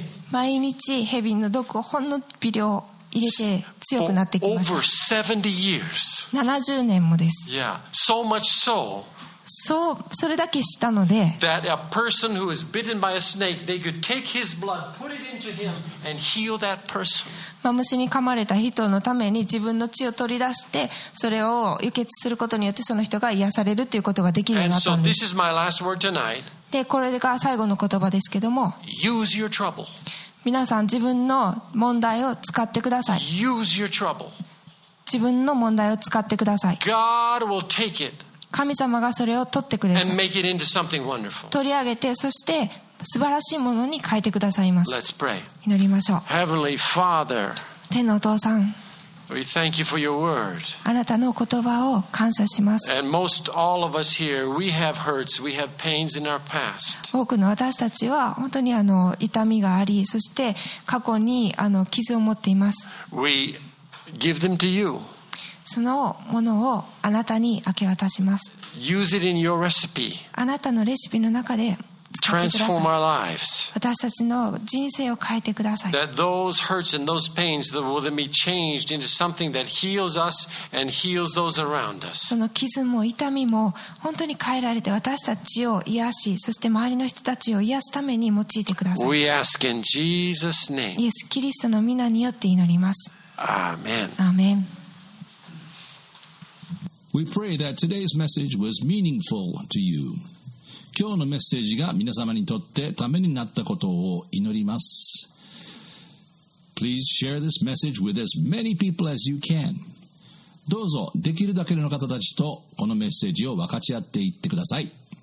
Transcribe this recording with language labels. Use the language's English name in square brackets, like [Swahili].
[Japanese] 毎日ヘビの毒をほんの微量入れて強くなってきました。 70年もです。 [English] Yeah, so much so, [Japanese] そう、それだけしたので、 [English] that a person who is bitten by a snake, they could take his blood, put it into him, and heal that person. [Japanese] マムシに噛まれた人のために自分の血を取り出して、それを輸血することによってその人が癒されるということができるようになったんです。 [English] And so this is my last word tonight. [Japanese] でこれが最後の言葉ですけども、 [English] Use your trouble. [Japanese] 皆さん自分の問題を使ってください。 [English] Use your trouble. [Japanese] 自分の問題を使ってください。 [English] God will take it. [Japanese] 神様がそれを取ってください。 [English] And make it into something wonderful. [Japanese] 取り上げて、そして素晴らしいものに変えてくださいます。 [English] Let's pray. [Japanese] 祈りましょう。 [English] Heavenly Father. [Japanese] 天のお父さん。 [English] We thank you for your word. [Japanese] あなたの言葉を感謝します。 [English] And most all of us here, we have hurts, we have pains in our past. [Japanese] 多くの私たちは本当に痛みがあり、そして過去に傷を持っています。 [English] We give them to you. [Japanese] そのものをあなたに明け渡します。 [English] Use it in your recipe. [Japanese] あなたのレシピの中で [English] Transform our lives. [Japanese] 私たちの人生を変えてください。 [English] That those hurts and those pains will then be changed into something that heals us and heals those around us. [Japanese] その傷も痛みも本当に変えられて私たちを癒し、そして周りの人たちを癒すために用いてください。 [English] We ask in Jesus' name. [Japanese] イエス・キリストの御名によって祈ります。 [English] Amen. [Japanese] Amen. [English] We pray that today's message was meaningful to you. [Japanese] 今日のメッセージが皆様にとってためになったことを祈ります。 [English] Please share this message with as many people as you can. [Japanese] どうぞできるだけの方たちとこのメッセージを分かち合っていってください。